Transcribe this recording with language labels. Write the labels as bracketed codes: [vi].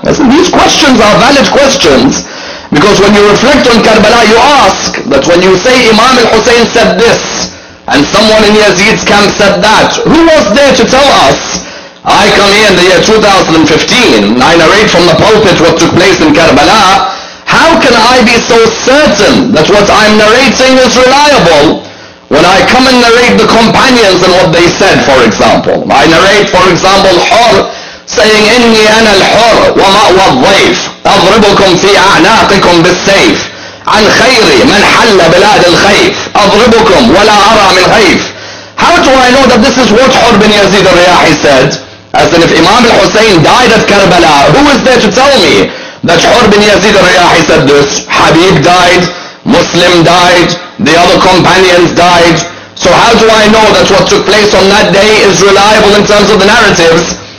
[en] Listen, these questions are valid questions, because when you reflect on Karbala, you ask that when you say Imam al-Hussein said this and someone in Yazid's camp said that, who was there to tell us? I come here in the year 2015, I narrate from the pulpit what took place in Karbala. How how can I be so certain that what I'm narrating is reliable when I come and narrate the companions and what they said, for example? I narrate, for example, Hur saying, [ar] إِنِّي أَنَا الْحُرْ وَمَأْوَى الضَّيْفِ أَضْرِبُكُمْ فِي أَعْنَاقِكُمْ بِالسَّيْفِ عَنْ خَيْرِ مَنْ حَلَّ بِلَادِ الْخَيْفِ أَضْرِبُكُمْ وَلَا أَرَى مِنْ خَيْفِ. [en] How do I know that this is what Hur bin Yazid al-Riyahi said? As in, if Imam al-Hussein died at Karbala, who is there to tell me that Hur bin Yazid al-Riyahi said this? Habib died, Muslim died, the other companions died. So how do I know that what took place on that day is reliable in terms of the narratives?